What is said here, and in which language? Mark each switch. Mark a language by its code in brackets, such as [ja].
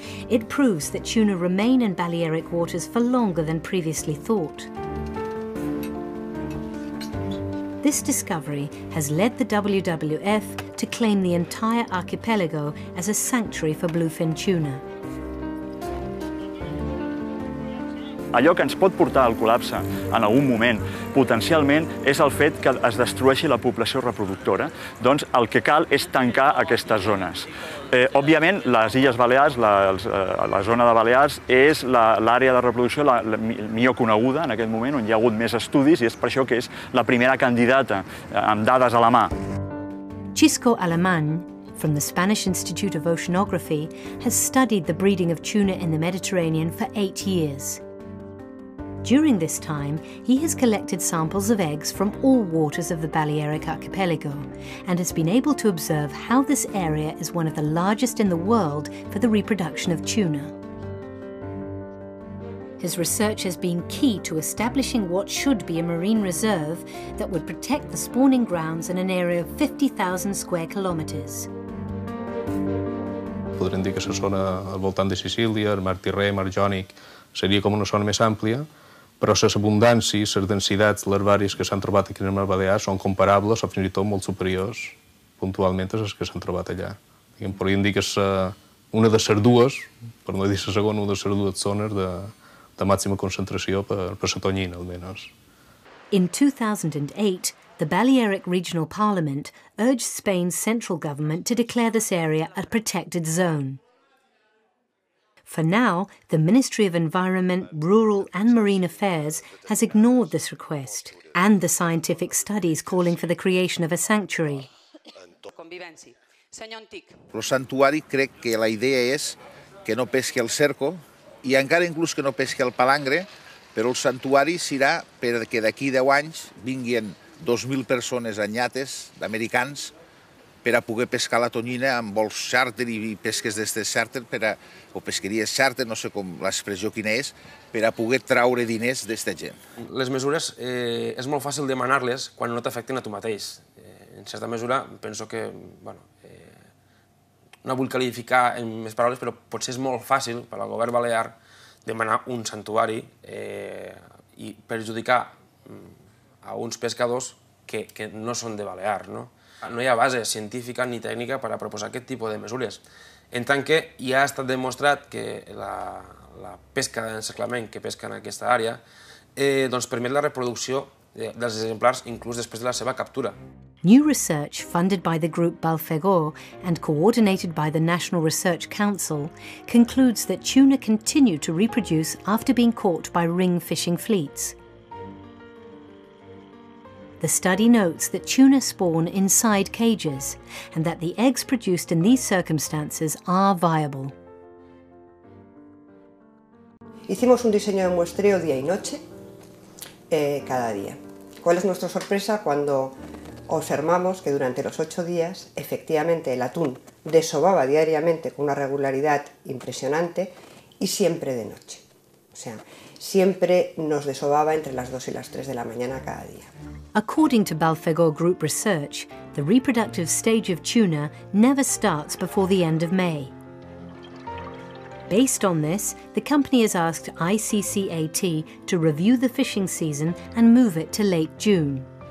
[en] It proves that tuna remain in Balearic waters for longer than previously thought. This discovery has led the WWF to claim the entire archipelago as a sanctuary for bluefin tuna. [ca] Allò que ens pot portar al col·lapse en algun moment, potencialment, és el fet que es destrueixi la població reproductora. Doncs el que cal és tancar aquestes zones. Òbviament, les Illes Balears, la zona de Balears, és l'àrea de reproducció la millor coneguda en aquest moment, on hi ha hagut més estudis, i és per això que és la primera candidata, amb dades a la mà. [en] Chisco Alemany, from the Spanish Institute of Oceanography, has studied the breeding of tuna in the Mediterranean for 8 years. During this time, he has collected samples of eggs from all waters of the Balearic archipelago and has been able to observe how this area is one of the largest in the world for the reproduction of tuna. His research has been key to establishing what should be a marine reserve that would protect the spawning grounds in an area of 50,000 square kilometers. [ca] Podrem dir que se zona al voltant de Sicília, el Mar Tirrè, Mar Jònic, seria com una zona més àmplia. Però les abundàncies, les densitats larvàries que s'han trobat aquí en el Mar Balear són comparables o fins i tot molt superiors puntualment a les que s'han trobat allà. Diguem, podríem dir que és una de les dues, per no dir la segona, una de les dues zones de màxima concentració per la tonyina, almenys. [en] In 2008, the Balearic Regional Parliament urged Spain's central government to declare this area a protected zone. For now, the Ministry of Environment, Rural and Marine Affairs has ignored this request and the scientific studies calling for the creation of a sanctuary. [ca] Lo santuari crec que la idea és que no pesqui el cerco i encara inclús que no pesqui el palangre, però el santuari serà perquè d'aquí 10 anys vinguin 2.000 persones anyates d'americans per a poder pescar la tonyina amb vols charter i pesques d'aquestes charter per a, o pesqueries charter, no sé com l'expressió quina és, per a poder traure diners d'aquesta gent. Les mesures és molt fàcil demanar-les quan no t'afecten a tu mateix. En certa mesura, penso que, bueno, no vull qualificar en més paraules, però potser és molt fàcil per al govern balear demanar un santuari i perjudicar a uns pescadors que no són de Balear, no? No hi ha base científica ni tècnica per a proposar aquest tipus de mesures. En tant que ja ha estat demostrat que la pesca d'encerclament que pesca en aquesta àrea doncs permet la reproducció dels exemplars inclús després de la seva captura. [en] New research funded by the group Balfegor and coordinated by the National Research Council concludes that tuna continue to reproduce after being caught by ring fishing fleets. The study notes that tuna spawn inside cages and that the eggs produced in these circumstances are viable. [es] Hicimos un diseño de muestreo día y noche, cada día. ¿Cuál es nuestra sorpresa cuando observamos que durante los 8 días, efectivamente, el atún desovaba diariamente con una regularidad impresionante y siempre de noche? O sea, siempre nos desovaba entre las 2 y las 3 de la mañana cada día. [en] According to Balfegor Group Research, the reproductive stage of tuna never starts before the end of May. Based on this, the company has asked ICCAT to review the fishing season and move it to late June.